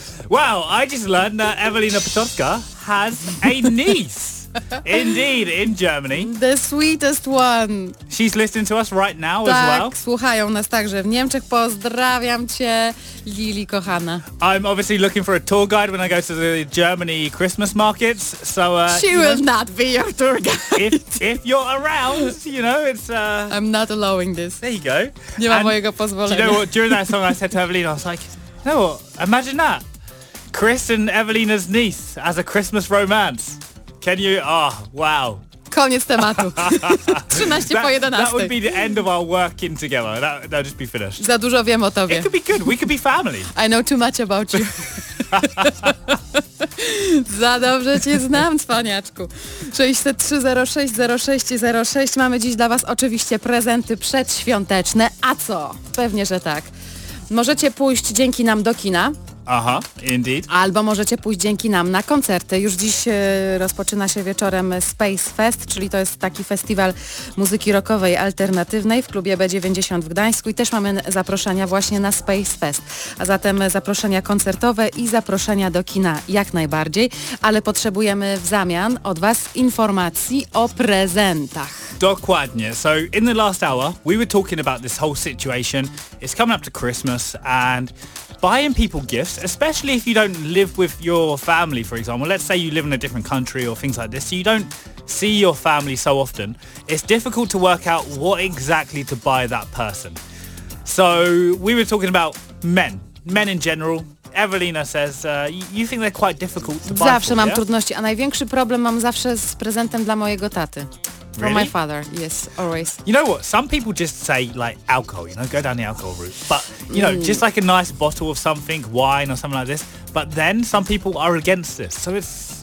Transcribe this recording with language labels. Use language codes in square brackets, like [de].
[en] Well, I just learned that Evelina Potocka has a niece. Indeed, in Germany. The sweetest one. She's listening to us right now [pl] tak, [en] as well. [pl] Tak, słuchają nas także w Niemczech. Pozdrawiam cię, Lili kochana. [en] I'm obviously looking for a tour guide when I go to the Germany Christmas markets. So she will not be your tour guide. If you're around, you know, it's... I'm not allowing this. There you go. [pl] Nie ma mojego pozwolenia. [en] Do you know what? During that song, I said to Evelina, I was like, you know what? Imagine that. Chris and Evelina's niece as a Christmas romance. Can you? Oh, wow. [pl] Koniec tematu. 13 po 11. [en] That would be the end of our working together. That would just be finished. [pl] Za dużo wiem o tobie. [en] It could be good. We could be family. I know too much about you. [pl] Za dobrze cię znam, cwaniaczku. 603-06-06-06. Mamy dziś dla was oczywiście prezenty przedświąteczne. A co? Pewnie, że tak. Możecie pójść dzięki nam do kina. [en] Aha, indeed. [pl] Albo możecie pójść dzięki nam na koncerty. Już dziś rozpoczyna się wieczorem Space Fest, czyli to jest taki festiwal muzyki rockowej, alternatywnej w klubie B90 w Gdańsku i też mamy zaproszenia właśnie na Space Fest. A zatem zaproszenia koncertowe i zaproszenia do kina jak najbardziej, ale potrzebujemy w zamian od was informacji o prezentach. Dokładnie. [en] So in the last hour we were talking about this whole situation. It's coming up to Christmas and buying people gifts, especially if you don't live with your family, for example. Let's say you live in a different country or things like this, so you don't see your family so often. It's difficult to work out what exactly to buy that person. So we were talking about men in general. Evelina says, you think they're quite difficult to buy. [pl] Zawsze [en] for, [pl] mam [en] yeah? [pl] trudności, a największy problem mam zawsze z prezentem dla mojego taty. [en] Really? From my father, yes, always. You know what? Some people just say, like, alcohol, you know, go down the alcohol route. But, you know, just like a nice bottle of something, wine or something like this. But then some people are against this, so it's...